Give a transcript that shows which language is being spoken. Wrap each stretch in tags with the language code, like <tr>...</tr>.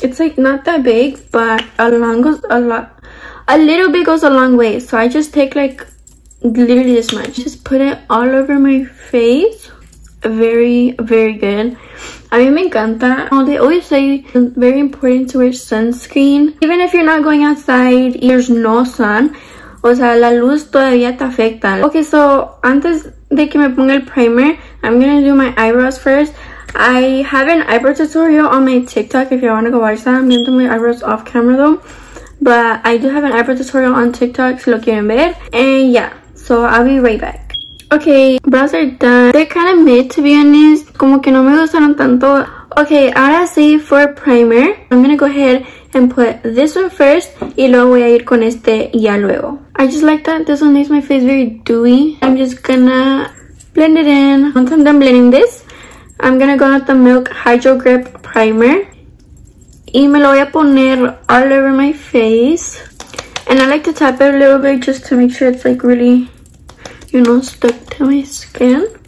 <en>It's like not that big, but a little bit goes a long way. So I just take like literally this much, just put it all over my face. Very good. I mean,</en> <es>me encanta.</es> <en>Oh, they always say it's very important to wear sunscreen. Even if you're not going outside, there's no sun.</en> <es>O sea, la luz todavía te afecta.</es> <en>Okay, so</en> <es>antes de que me ponga el primer,</es> <en>I'm gonna do my eyebrows first. I have an eyebrow tutorial on my TikTok if you want to go watch that. I'm gonna do my eyebrows off camera though. But I do have an eyebrow tutorial on TikTok,</en> <es>si lo quieren ver.</es> <en>And yeah, so I'll be right back. Okay, brows are done. They're kind of mid, to be honest.</en> <es>Como que no me gustaron tanto.</es> <en>Okay,</en> <es>ahora sí,</es> <en>for primer, I'm gonna go ahead and put this one first.</en> <es>Y luego voy a ir con este ya luego.</es> <en>I just like that. This one makes my face very dewy. I'm just gonna blend it in. Once I'm done blending this, I'm gonna go with the Milk Hydro Grip Primer.</en> <es>Y me lo voy a poner</es> <en>all over my face. And I like to tap it a little bit just to make sure it's like really, you know, stuck to my skin.</en>